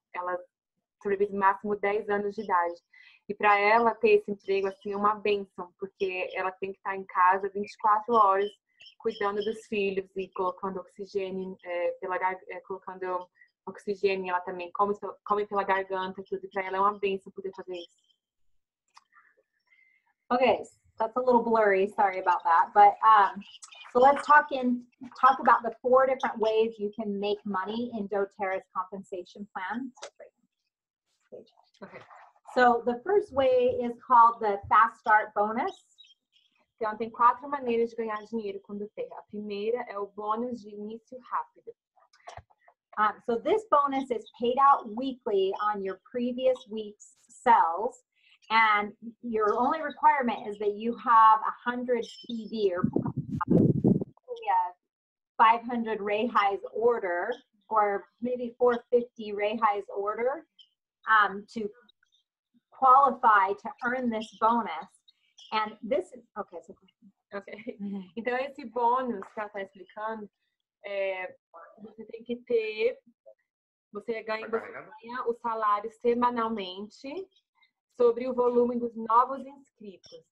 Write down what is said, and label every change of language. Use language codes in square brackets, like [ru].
[pt] Ela sobrevive máximo 10 anos de idade. E para ela ter esse emprego assim, é uma bênção, porque ela tem que estar em casa 24 horas cuidando dos filhos e colocando oxigênio, colocando oxigênio, ela também come pela garganta, tudo. E para ela é uma bênção poder fazer isso. [en] Okay, that's a little blurry, sorry about that. But so let's talk about the four different ways you can make money in doTERRA's compensation plan. Okay. So the first way is called the fast start bonus. [pt] Então tem quatro maneiras de ganhar dinheiro com doTERRA. A primeira é o bônus de início rápido. [en] So this bonus is paid out weekly on your previous week's sales. And your only requirement is that you have 100 PV or 500 reais order, or maybe 450 reais order, to qualify to earn this bonus. And this is okay. So okay. [pt] Então esse bônus que ela tá explicando, você tem que ter, você ganha o salário semanalmente sobre o volume dos novos inscritos.